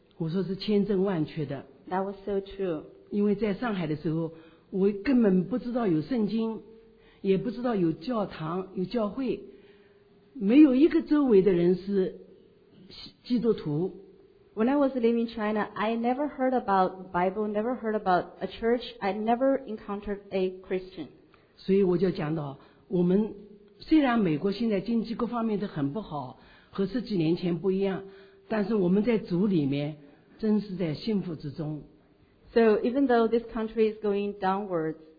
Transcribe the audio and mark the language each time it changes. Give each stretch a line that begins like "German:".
Chinese: 我说是千真万确的。
English: That was so true.
Chinese: 因为在上海的时候，我根本不知道有圣经，也不知道有教堂、有教会，没有一个周围的人是基督徒。
English: When I was living in China, I never heard about the Bible, never heard about a church, I never encountered a Christian.
Chinese: 所以我就讲到，我们虽然美国现在经济各方面都很不好，和十几年前不一样，但是我们在主里面真是在幸福之中。
English: So even though this country is going downwards,